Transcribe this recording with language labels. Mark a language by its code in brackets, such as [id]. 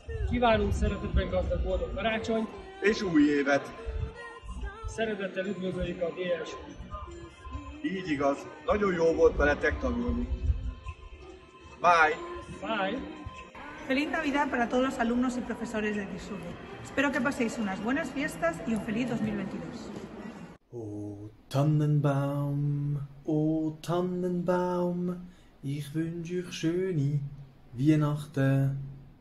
[hu] Kívánunk szeretetben gazdag boldog karácsony. És új évet. Szeretettel üdvözöljük a DS. Így igaz, nagyon jó volt veletek tanulni. [en] Bye. Bye. [es] Feliz Navidad para todos los alumnos y profesores de D-SCHULE. Espero que paséis unas buenas fiestas y un feliz 2022. [de] Oh, Tannenbaum, oh, Tannenbaum. Ich wünsche euch schöne Weihnachten.